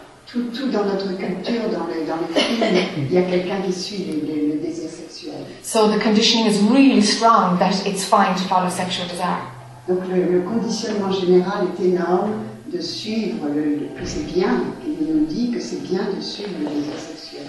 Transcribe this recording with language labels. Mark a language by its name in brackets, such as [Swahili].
[French] Tout dans notre culture, dans les films, il y a quelqu'un qui suit le désir sexuel. [English] So the conditioning is really strong that it's fine to follow sexual desire. [French] Donc le conditionnement général est énorme de suivre que c'est bien. Il nous dit que c'est bien de suivre le désir sexuel.